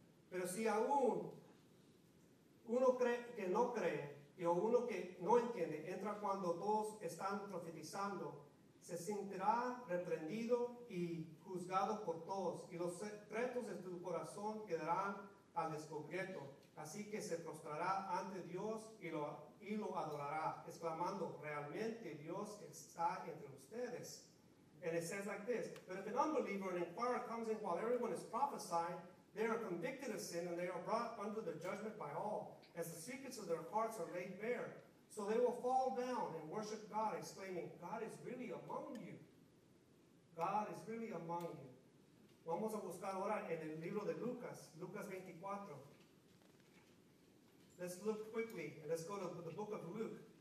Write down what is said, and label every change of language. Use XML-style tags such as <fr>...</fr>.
<es>Pero si aún uno que no cree y uno que no entiende entra cuando todos están profetizando, se sentirá reprendido y juzgado por todos, y los secretos de tu corazón quedarán al descubierto. Así que se prostrará ante Dios y lo adorará, exclamando, realmente Dios está entre ustedes.</es> <en>And it says like this, but if an unbeliever, an inquirer, comes in while everyone is prophesying, they are convicted of sin and they are brought under the judgment by all, as the secrets of their hearts are laid bare. So they will fall down and worship God, exclaiming, God is really among you. God is really among you.</en> <es>Vamos a buscar ahora en el libro de Lucas, Lucas 24.</es> <en>Let's look quickly and let's go to the book of Luke.</en>